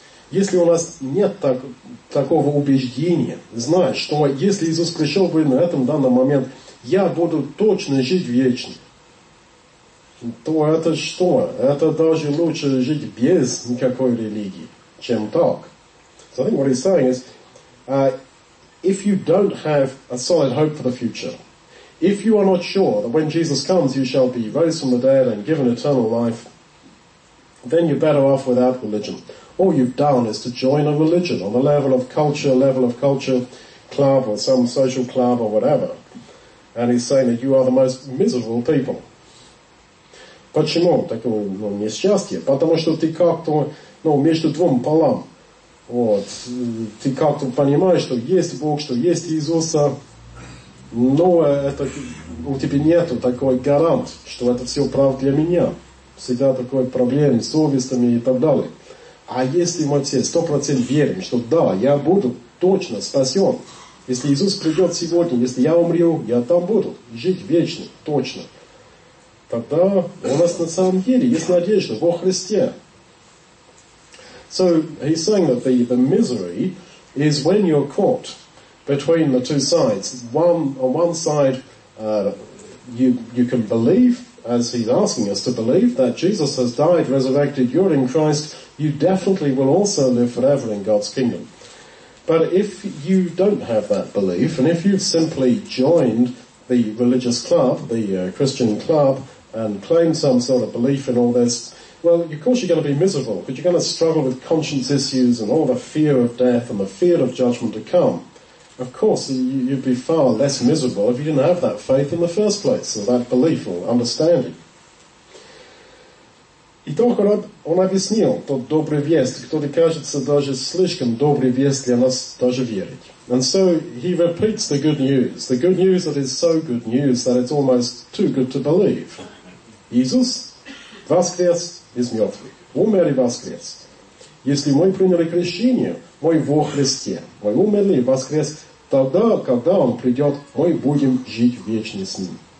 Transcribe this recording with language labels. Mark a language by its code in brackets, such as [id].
[ru] Если у нас нет такого убеждения, знаешь, что если Иисус пришел бы на этом данный момент, я буду точно жить вечно, то это что? Это даже лучше жить без никакой религии, чем так. [en] So I think what he's saying is, if you don't have a solid hope for the future, if you are not sure that when Jesus comes you shall be raised from the dead and given eternal life, then you're better off without religion. All you've done is to join a religion on the level of culture, club or some social club or whatever. And he's saying that you are the most miserable people. [ru] Почему такое несчастье? Потому что ты как-то между двум полам. Вот. Ты как-то понимаешь, что есть Бог, что есть Иисуса, но это у тебя нету такой гарант, что это все правда для меня. Всегда такой проблемы с совестями и так далее. А если мы все 100% верим, что да, я буду точно спасен, если Иисус придет сегодня, если я умру, я там буду жить вечно, точно, тогда у нас на самом деле есть надежда во Христе. [en] So he's saying that the misery is when you're caught between the two sides. On one side, you can believe, as he's asking us to believe, that Jesus has died, resurrected, you're in Christ, you definitely will also live forever in God's kingdom. But if you don't have that belief, and if you've simply joined the religious club, the Christian club, and claim some sort of belief in all this, well, of course you're going to be miserable, because you're going to struggle with conscience issues and all the fear of death and the fear of judgment to come. Of course, you'd be far less miserable if you didn't have that faith in the first place, or that belief or understanding. [ru] Итак, он объяснил, тот добрый весть, который кажется даже слишком добрый весть для нас даже верить. [en] And so he repeats the good news that is so good news that it's almost too good to believe. [ru] Иисус воскрес из мертвых, умер и воскрес. Если мы приняли крещение, мы во Христе, мы умерли и воскрес, тогда, когда Он придет, мы будем жить вечно с Ним.